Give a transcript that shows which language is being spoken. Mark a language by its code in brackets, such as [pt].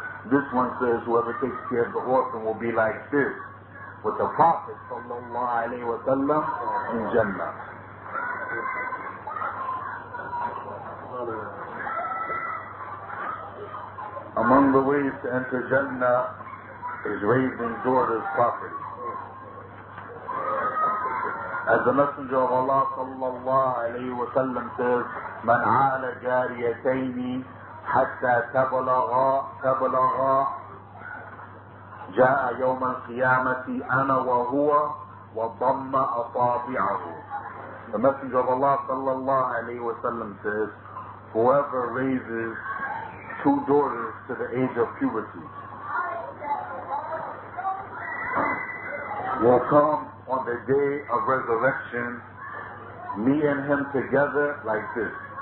[en] This one says, whoever takes care of the orphan will be like this, with the Prophet, sallallahu alayhi wa sallam, in Jannah. Among the ways to enter Jannah is raising daughters properly. As the Messenger of Allah sallallahu alayhi wa sallam says, [ar] من عال جاريتين حتى تبلغا جاء يوم القيامة أنا وهو وضم أصابعه. [en] The Messenger of Allah sallallahu alayhi wa sallam says, whoever raises two daughters to the age of puberty will come on the day of resurrection, me and him together like this.